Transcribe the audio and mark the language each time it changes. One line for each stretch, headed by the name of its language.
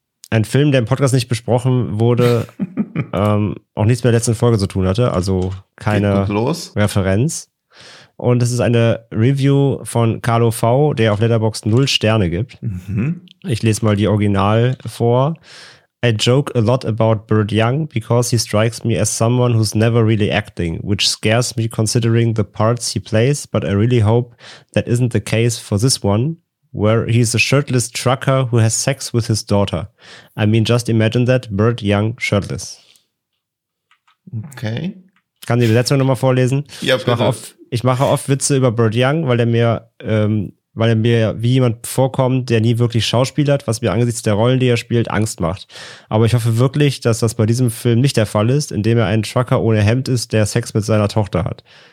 German: Ein Film, der im Podcast nicht besprochen wurde, auch nichts mit der letzten Folge zu tun hatte, also keine Referenz. Und es ist eine Review von Carlo V., der auf Letterboxd 0 Sterne gibt. Mhm. Ich lese mal die Original vor.
English: I joke a lot about Burt Young because he strikes me as someone who's never really acting, which scares me considering the parts he plays, but I really hope that isn't the case for this one, where he's a shirtless trucker who has sex with his daughter. I mean, just imagine that, Burt Young shirtless. Okay.
German: Kann die Besetzung nochmal vorlesen? Ja, ich mache oft Witze über Burt Young, weil er mir wie jemand vorkommt, der nie wirklich Schauspieler hat, was mir angesichts der Rollen, die er spielt, Angst macht. Aber ich hoffe wirklich, dass das bei diesem Film nicht der Fall ist, indem er ein Trucker ohne Hemd ist, der Sex mit seiner Tochter hat.